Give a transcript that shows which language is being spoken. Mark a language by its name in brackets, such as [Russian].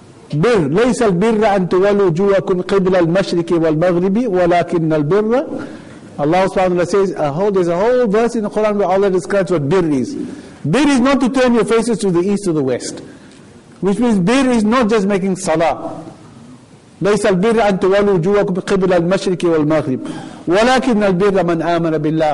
[Arabic] بر ليس البر أن تولوا وجوهكم قبل المشرق والمغرب ولكن البر. [English] Allah subhanahu wa ta'ala says there's a whole verse in the Quran where Allah describes what bir is. Bir is not to turn your faces to the east or the west, which means bir is not just making salah. [Arabic] ليس البر أن تولوا وجوهكم قبل المشرق والمغرب ولكن البر من آمن بالله.